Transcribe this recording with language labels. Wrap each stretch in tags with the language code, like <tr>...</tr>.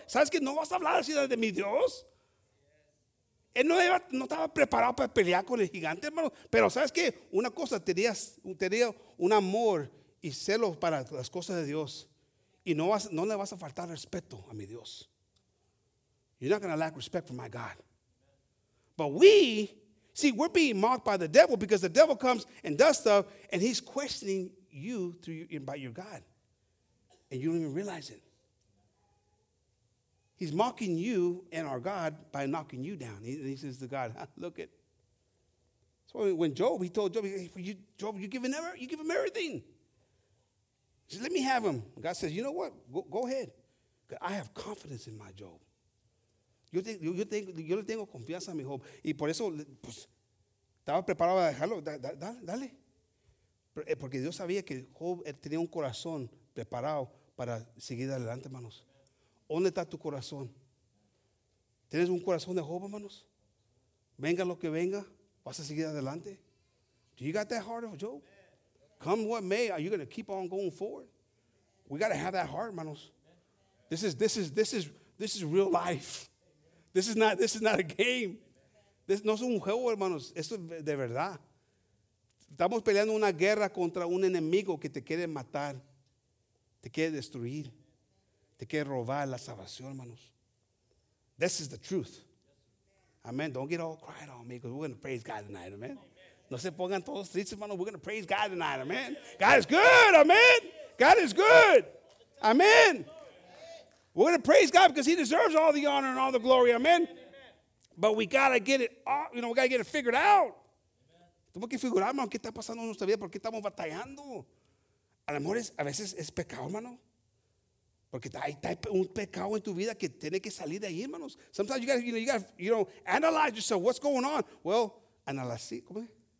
<es>¿Sabes que no vas a hablar así de mi Dios? Él no estaba preparado para pelear con el gigante, hermano. Pero ¿sabes que una cosa? Tenía un amor y celo para las cosas de Dios. Y no le vas a faltar respeto a mi Dios.</es> <en>You're not going to lack respect for my God. But we're being mocked by the devil because the devil comes and does stuff and he's questioning you by your God. And you don't even realize it. He's mocking you and our God by knocking you down. He says to God, look it. So when he told Job, you give him everything. He says, let me have him. God says, you know what? Go ahead. I have confidence in my Job.</en> <es>Yo le tengo confianza a mi Job. Y por eso, pues, estaba preparado a dejarlo. Dale. Porque Dios sabía que Job tenía un corazón preparado para seguir adelante, hermanos. ¿Dónde está tu corazón? ¿Tienes un corazón de Job, hermanos? Venga lo que venga, vas a seguir adelante.</es> <en>Do you got that heart of Job? Come what may, are you going to keep on going forward? We got to have that heart, manos. This is real life. This is not a game. This</en> <es>no es un juego, hermanos. Esto es de verdad. Estamos peleando una guerra contra un enemigo que te quiere matar, te quiere destruir, te quiere robar la salvación, hermanos.</es> <en>This is the truth. Amen. Don't get all cried on me because we're going to praise God tonight. Amen.</en> <es>No se pongan todos tristes, hermanos.</es> <en>We're going to praise God tonight, amen. God is good, amen. God is good, amen. We're going to praise God because he deserves all the honor and all the glory, amen. But we got to get it, you know, we got to get it figured out.</en> <es>Tenemos que figurar, hermano, qué está pasando en nuestra vida, por qué estamos batallando. A lo mejor a veces es pecado, hermano. Porque hay un pecado en tu vida que tiene que salir de ahí, hermanos.</es> <en>Sometimes you got to analyze yourself. What's going on? Well, analyze,</en> <es>¿cómo es?</es>